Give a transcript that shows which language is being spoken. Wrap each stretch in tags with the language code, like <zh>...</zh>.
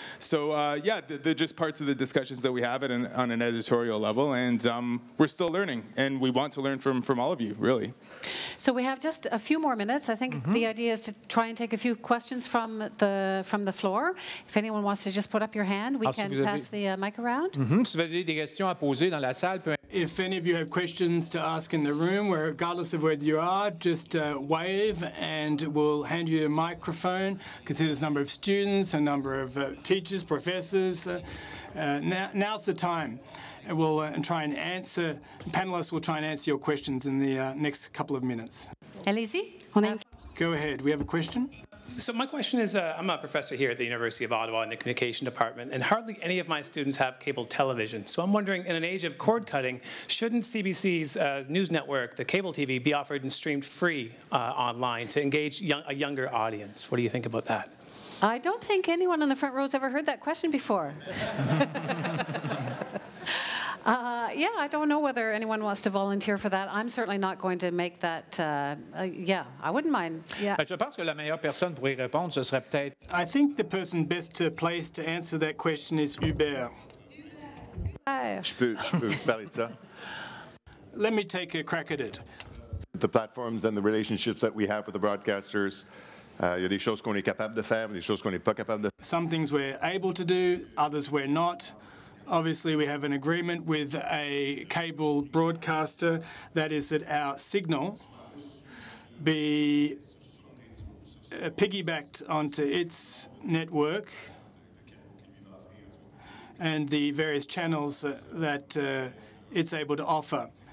<en>So, they're just parts of the discussions that we have on an editorial level, and we're still learning, and we want to learn from all of you, really. So we have just a few more minutes. I think the idea is to try and take a few questions from the floor. If anyone wants to just put up your hand, we can pass the mic around.</en> <fr>Si vous avez des questions à poser dans la salle, peu...</fr> <en>If any of you have questions to ask in the room, regardless of where you are, just wave and we'll hand you a microphone. I can see there's a number of students, a number of teachers, professors. Now's the time. We'll try and answer, panelists will try and answer your questions in the next couple of minutes.</en> <fr>Allez-y.</fr> <en>Go ahead. We have a question. So my question is, I'm a professor here at the University of Ottawa in the communication department, and hardly any of my students have cable television. So I'm wondering, in an age of cord cutting, shouldn't CBC's news network, the cable TV, be offered and streamed free online to engage a younger audience? What do you think about that? I don't think anyone on the front row has ever heard that question before. I don't know whether anyone wants to volunteer for that. I'm certainly not going to make that. I wouldn't mind.</en> <fr>Je pense que la meilleure personne pour y répondre, ce serait peut-être.</fr> <en>I think the person best placed to answer that question is Hubert.</en> <fr>Je peux parler de ça.</fr> <en>Let me take a crack at it. The platforms and the relationships that we have with the broadcasters.</en> <fr>Il y a des choses qu'on est capable de faire, des choses qu'on n'est pas capable de.</fr> <en>Some things we're able to do, others we're not. Obviously, we have an agreement with a cable broadcaster, that is that our signal be piggybacked onto its network and the various channels that it's able to offer.</en>